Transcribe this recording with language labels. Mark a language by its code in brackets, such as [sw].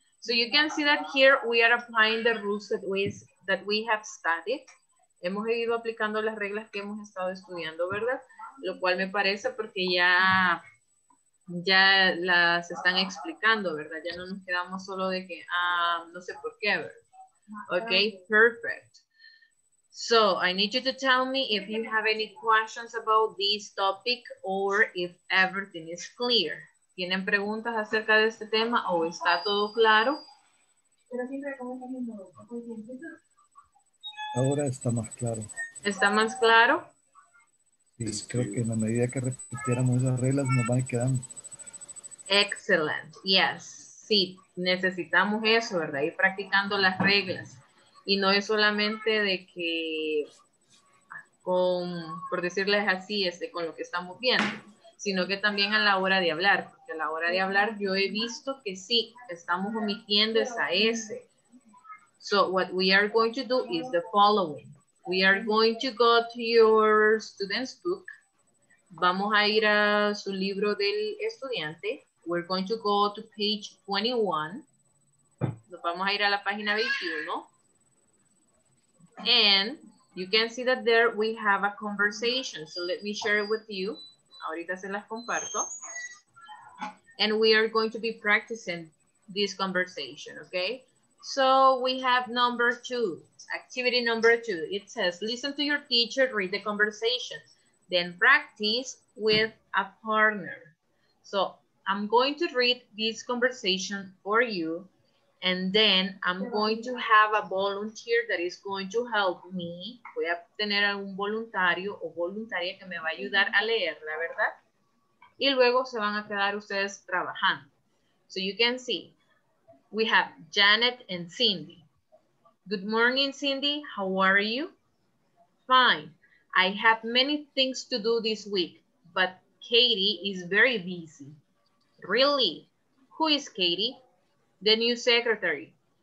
[en] So you can see that here we are applying the rules that we have studied. [es] Hemos ido aplicando las reglas que hemos estado estudiando, ¿verdad? Lo cual me parece porque ya las están explicando, ¿verdad? Ya no nos quedamos solo de que, no sé por qué, ¿verdad? [en] Okay, perfect. So I need you to tell me if you have any questions about this topic or if everything is clear. [es] ¿Tienen preguntas acerca de este tema o está todo claro? Ahora está más claro. ¿Está más claro? Sí, creo que en la medida que repitiéramos esas reglas nos van quedando. [en] Excellent, yes. [es] Sí, necesitamos eso, ¿verdad? Ir practicando las reglas. Y no es solamente de que con, por decirles así, con lo que estamos viendo, sino que también a la hora de hablar. Porque a la hora de hablar yo he visto que sí, estamos omitiendo esa S. [en] So what we are going to do is the following. We are going to go to your student's book. [es] Vamos a ir a su libro del estudiante. [en] We're going to go to page 21. [es] Nos vamos a ir a la página 21. [en] And you can see that there we have a conversation. So let me share it with you. [es] Ahorita se las comparto. [en] And we are going to be practicing this conversation, okay? So we have number two, activity number two. It says, listen to your teacher, read the conversation. Then practice with a partner. So I'm going to read this conversation for you, and then I'm going to have a volunteer that is going to help me. Voy a tener algún voluntario o voluntaria que me va a ayudar a leer, la verdad. Y luego se van a quedar ustedes trabajando. So you can see, we have Janet and Cindy. Good morning, Cindy. How are you? Fine. I have many things to do this week, but Katie is very busy. Really? Who is Katie? The new secretary.